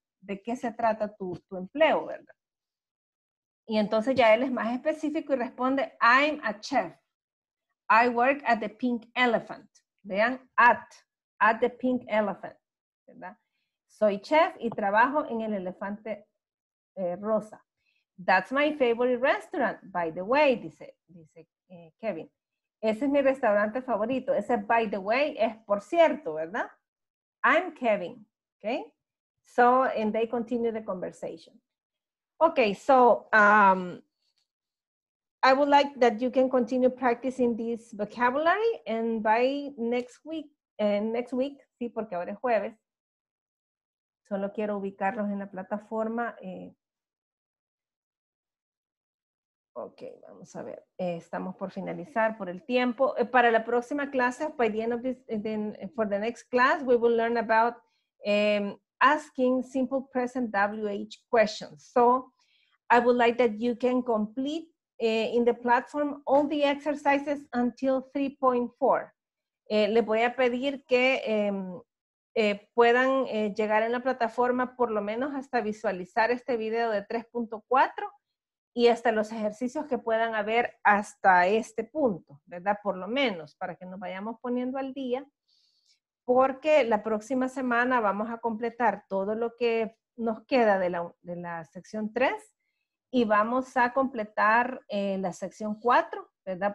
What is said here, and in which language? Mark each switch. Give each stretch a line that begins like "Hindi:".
Spanish: ¿De qué se trata tu empleo, verdad? Y entonces ya él es más específico y responde,
English: I'm a chef. I work at the Pink Elephant. Vean, at the Pink Elephant, ¿verdad?
Spanish: Soy chef y trabajo en el elefante rosa.
English: That's my favorite restaurant, by the way,
Spanish: dice Kevin. Ese es mi restaurante favorito. Ese,
English: by the way,
Spanish: es por cierto, ¿verdad?
English: I'm Kevin, okay? So, and they continue the conversation. Okay, so, I would like that you can continue practicing this vocabulary and by next week,
Spanish: sí, porque ahora es jueves. Solo quiero ubicarlos en la plataforma. Ok, vamos a ver. Estamos por finalizar por el tiempo. Para la próxima clase,
English: by the end of this, then for the next class, we will learn about asking simple present WH questions. So I would like that you can complete in the platform all the exercises until 3.4.
Spanish: Les voy a pedir que puedan llegar en la plataforma por lo menos hasta visualizar este video de 3.4 y hasta los ejercicios que puedan haber hasta este punto, ¿verdad? Por lo menos, para que nos vayamos poniendo al día, porque la próxima semana vamos a completar todo lo que nos queda de la sección 3 y vamos a completar la sección 4, ¿verdad?